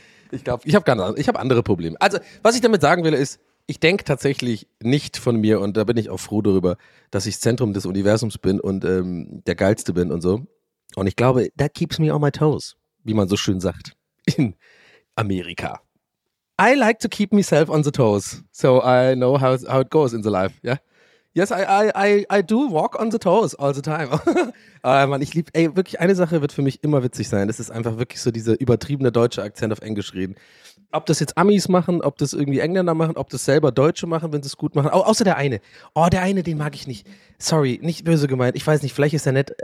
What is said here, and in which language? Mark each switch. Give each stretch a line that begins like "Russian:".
German: Ich glaube, ich habe andere Probleme. Also, was ich damit sagen will, ist, ich denke tatsächlich nicht von mir, und da bin ich auch froh darüber, dass ich Zentrum des Universums bin und der Geilste bin und so. Und ich glaube,
English: that keeps me on my toes,
German: wie man so schön sagt in Amerika.
English: I like to keep myself on the toes, so I know how it goes in the life, yeah? Yes, I do walk on the toes all the time.
German: Mann, ich liebe, ey, wirklich, eine Sache wird für mich immer witzig sein. Das ist einfach wirklich so dieser übertriebene deutsche Akzent auf Englisch reden. Ob das jetzt Amis machen, ob das irgendwie Engländer machen, ob das selber Deutsche machen, wenn sie es gut machen. Außer der eine. Oh, der eine, den mag ich nicht. Sorry, nicht böse gemeint. Ich weiß nicht, vielleicht ist er nett.